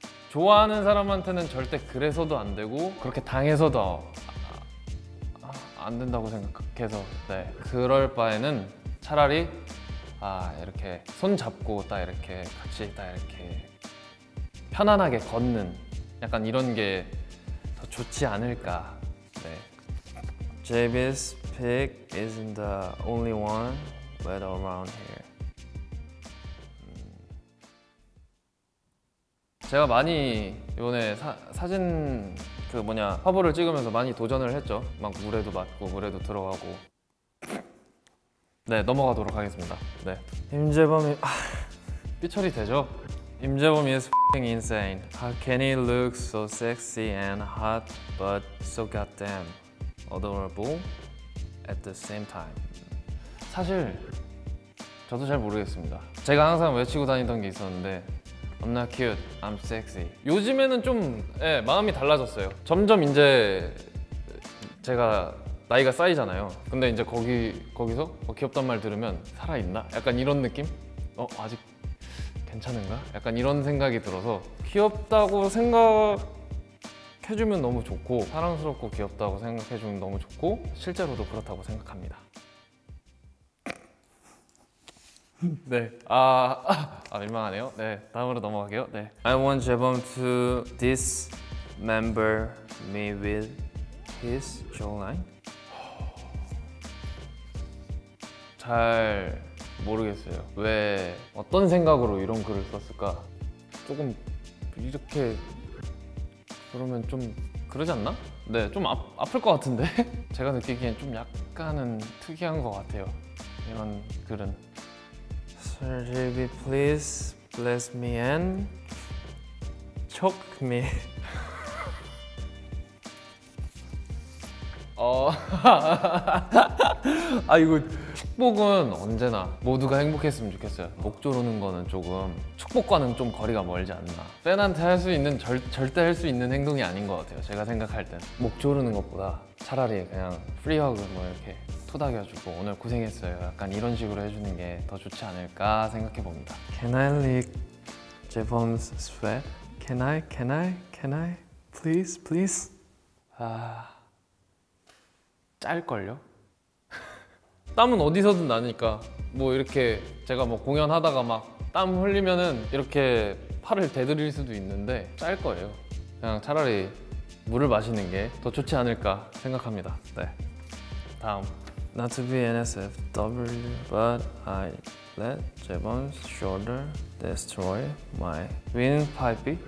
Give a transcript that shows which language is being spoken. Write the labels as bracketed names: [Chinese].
[Korean] 좋아하는 사람한테는 절대 그래서도 안 되고 그렇게 당해서도 안 된다고 생각해서, 네, 그럴 바에는 차라리 이렇게 손 잡고 딱 이렇게 같이 딱 이렇게 편안하게 걷는 약간 이런 게 더 좋지 않을까. 네. [English] JB's pig isn't the only one wet around here. [Korean] 제가 많이 이번에 사진 그 뭐냐 화보를 찍으면서 많이 도전을 했죠. 막 물에도 맞고 물에도 들어가고. 네, 넘어가도록 하겠습니다. 네, 임재범이 삐 처리 되죠? 임재범 [English] is f***ing insane. How can he look so sexy and hot but so goddamn adorable at the same time? [Korean] 사실 저도 잘 모르겠습니다. 제가 항상 외치고 다니던 게 있었는데 [English] I'm not cute, I'm sexy. [Korean] 요즘에는 좀, 예, 마음이 달라졌어요. 점점 이제 제가 나이가 쌓이잖아요. 근데 이제 거기서 귀엽단 말 들으면 살아있나? 약간 이런 느낌? 아직 괜찮은가? 약간 이런 생각이 들어서 귀엽다고 생각해주면 너무 좋고 사랑스럽고 귀엽다고 생각해주면 너무 좋고 실제로도 그렇다고 생각합니다. 네, 민망하네요. 네, 다음으로 넘어갈게요. 네. [English] I want Jaebum to dismember me with his jawline. [Korean] 잘 모르겠어요. 왜 어떤 생각으로 이런 글을 썼을까? 조금 이렇게 그러면 좀 그러지 않나? 네, 좀 아플 것 같은데? 제가 느끼기엔 좀 약간은 특이한 것 같아요, 이런 글은. [English] Sir JB, please bless me and choke me. [Korean] 이거 축복은 언제나 모두가 행복했으면 좋겠어요. 목조르는 거는 조금 축복과는 좀 거리가 멀지 않나. 팬한테 할 수 있는 절대 할 수 있는 행동이 아닌 것 같아요. 제가 생각할 땐 목조르는 것보다 차라리 그냥 프리허그 뭐 이렇게 토닥여주고 오늘 고생했어요 약간 이런 식으로 해주는 게 더 좋지 않을까 생각해 봅니다. [English] Can I lick Jaebeom's sweat? Can I? Please? 아... [Korean] 짤걸요? 땀은 어디서든 나니까 뭐 이렇게 제가 뭐 공연하다가 막 땀 흘리면은 이렇게 팔을 대드릴 수도 있는데 짤 거예요. 그냥 차라리 물을 마시는 게 더 좋지 않을까 생각합니다. 네, 다음. [English] Not to be NSFW, but I let Jaebeom's shoulder destroy my windpipe.